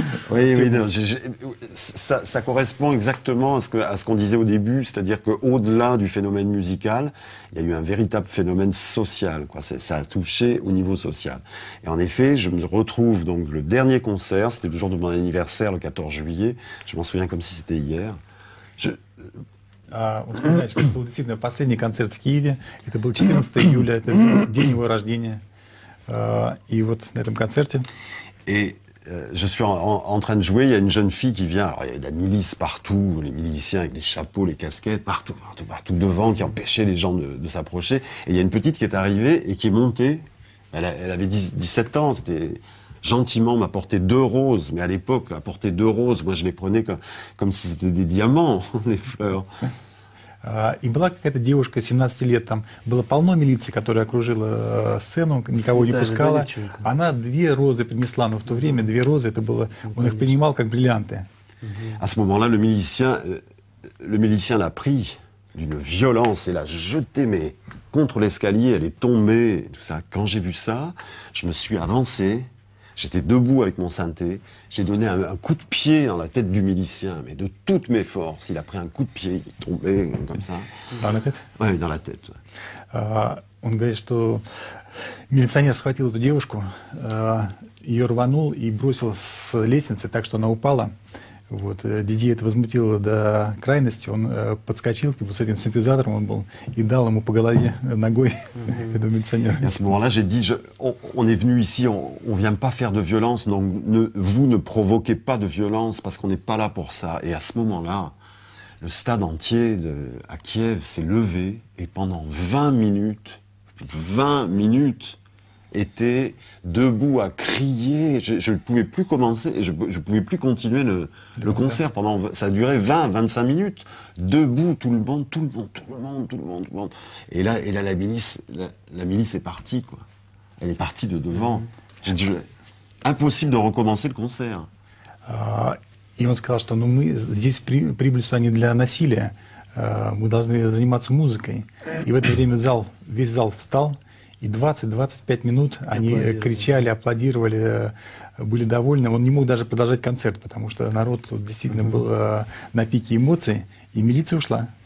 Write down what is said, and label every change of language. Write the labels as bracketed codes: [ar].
[fr] Oui, oui, non, ça correspond exactement à ce qu'on disait au début, c'est-à-dire qu'au-delà du phénomène musical, il y a eu un véritable phénomène social, quoi. Ça a touché au niveau social. Et en effet, je me retrouve donc le dernier concert, c'était le jour de mon anniversaire, le 14 juillet, je m'en souviens comme si c'était hier. [ru] Он вспоминает, что это был действительно последний концерт в Киеве. Это был 14 июля, это был день его рождения. И вот на этом концерте... [fr] Je suis en train de jouer, il y a une jeune fille qui vient, alors il y a de la milice partout, les miliciens avec les chapeaux, les casquettes, partout devant, qui empêchaient les gens de s'approcher. Et il y a une petite qui est arrivée et qui est montée, elle avait 17 ans, c'était gentiment m'a porté deux roses, mais à l'époque, apporter deux roses, moi je les prenais comme si c'était des diamants, les fleurs. [ru] И была какая-то девушка, 17 лет, там было полно милиции, которая окружила сцену, никого не пускала. Она две розы принесла, но в то время две розы, это было, он их принимал как бриллианты. [fr] À ce moment-là, le milicien l'a pris d'une violence et l'a jeté, mais contre l'escalier, elle est tombée, tout ça. Quand j'ai vu ça, je me suis avancé, j'étais debout avec mon synthé, j'ai donné un coup de pied dans la tête du milicien, mais de toutes mes forces, il a pris un coup de pied, il est tombé comme ça. Dans la tête? Oui, dans la tête. [ru] Он говорит, что милиционер схватил эту девушку, ее рванул и бросил с лестницы так, что она упала. Вот, Диди это возмутило до крайности, он подскочил, типа, с этим синтезатором он был, и дал ему по голове ногой этого милиционера. [fr] À ce moment-là, j'ai dit, on est venu ici, on vient pas faire de violence, donc vous ne provoquez pas de violence, parce qu'on n'est pas là pour ça. Et à ce moment-là, le stade entier à Kiev s'est levé, et pendant 20 minutes, était debout à crier, je ne pouvais plus commencer, je ne pouvais plus continuer le concert. Pendant, ça a duré 20-25 minutes, debout, tout le monde. Et là la milice est partie, quoi. Elle est partie de devant. J'ai dit, impossible de recommencer le concert. Et on a dit, nous sommes ici pour le [ru] насилие, [fr] nous devons [ru] заниматься музыкой. [fr] Et [ru] в это время зал, весь зал встал. И 20-25 минут они кричали, аплодировали, были довольны. Он не мог даже продолжать концерт, потому что народ действительно был на пике эмоций, и милиция ушла.